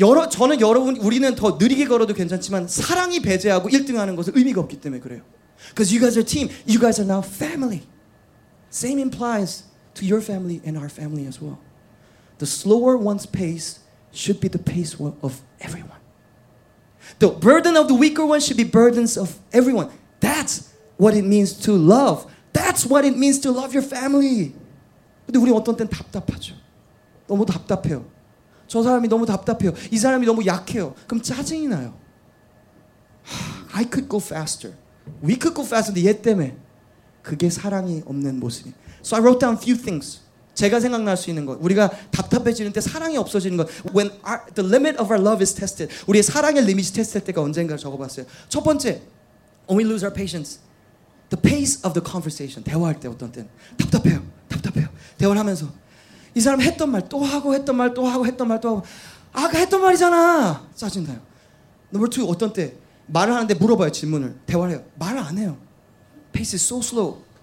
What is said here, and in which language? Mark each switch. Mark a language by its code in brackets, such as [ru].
[ko] 저는 여러분, 우리는 더 느리게 걸어도 괜찮지만 사랑이 배제하고 1등하는 것은 의미가 없기 때문에 그래요. [en] Because you guys are a team. You guys are now family. Same implies to your family and our family as well. The slower one's pace should be the pace of everyone. The burden of the weaker one should be burdens of everyone. That's what it means to love. That's what it means to love your family. [ko] 근데 우리 어떤 땐 답답하죠. 너무 답답해요. 저 사람이 너무 답답해요. 이 사람이 너무 약해요. 그럼 짜증이 나요. [en] I could go faster. We could go faster, but [ko] 얘 때문에 그게 사랑이 없는 모습이. [en] So I wrote down a few things. [ko] 제가 생각날 수 있는 것. 우리가 답답해지는 때 사랑이 없어지는 것. [en] When the limit of our love is tested. [ko] 우리의 사랑의 리미트 테스트 때가 언젠가 적어봤어요. 첫 번째, [en] when we lose our patience. The pace of the conversation. [ko] 대화할 때 어떤 때는 답답해요. 대화를 하면서 이 사람 했던 말 또 하고 했던 말 또 하고 했던 말 또 하고 아까 했던 말이잖아. 짜증나요. [en] Number two, [ko] 어떤 때 말을 하는데 물어봐요, 질문을. 대화를 해요. 말을 안 해요. [en] Pace is so slow.